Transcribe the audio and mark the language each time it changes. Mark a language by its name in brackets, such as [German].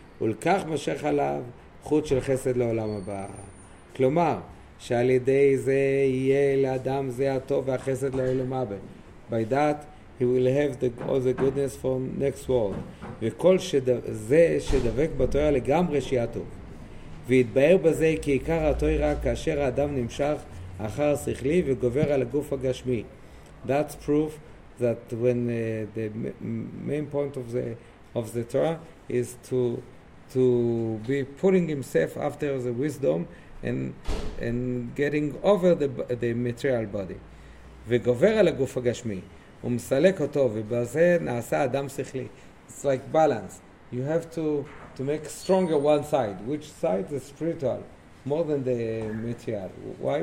[Hebrew] ולכך משך עליו חוט של חסד לעולם הבא. כלומר, שעל ידי זה יהיה לאדם זה הטוב והחסד לעולם הבא. [English] By that, he will have all the goodness for next world. [Hebrew] וכל זה שדבק בתורה לגמרי שיהיה טוב. והתבהר בזה כי עיקר התורה כאשר האדם נמשך אחר השכלי וגובר על הגוף הגשמי. [English] That's proof that when the main point of the of the Torah is to be pulling himself after the wisdom and getting over the material body. [Hebrew] וגובר על הגוף הגשמי, ומסלק אותו, ובזה נעשה אדם שכלי. [English] It's like balance. You have to make stronger one side. Which side? The spiritual, more than the material. Why?